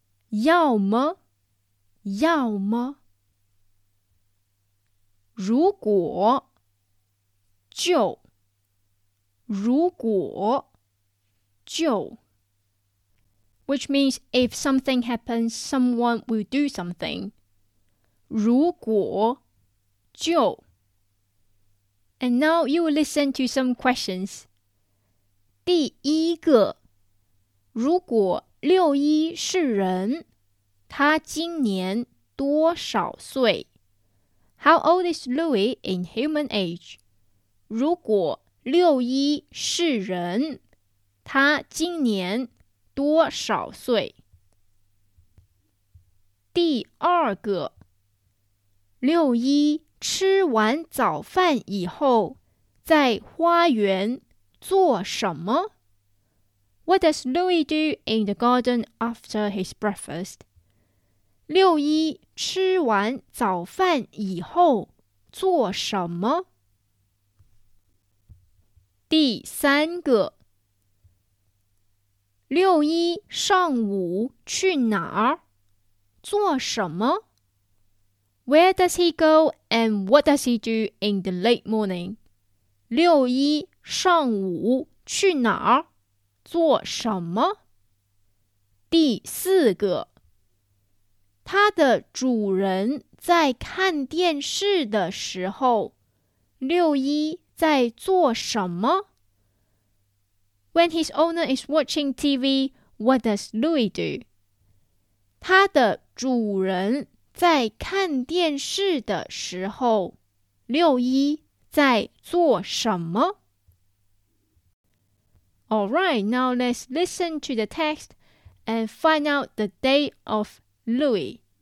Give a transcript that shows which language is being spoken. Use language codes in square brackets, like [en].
[zh] 要么要么如果就如果就 [en] Which means if something happens, someone will do something. [zh] 如果就 [en] And now you will listen to some questions. [zh] 第一个如果六一是人他今年多少岁 [en] How old is Louis in human age? [zh] 如果六一是人他今年多少岁第二个六一吃完早饭以后在花园做什么 [en] What does Louis do in the garden after his breakfast? [zh] 六一吃完早饭以后做什么第三个六一上午去哪儿做什么 [en] Where does he go and what does he do in the late morning? [zh] 六一上午去哪儿做什么第四个他的主人在看电视的时候六一在做什么 [en] When his owner is watching TV, what does Louis do? [zh] 他的主人在看电视的时候六一在做什么 [en] Alright, now let's listen to the text and find out the date of Louis.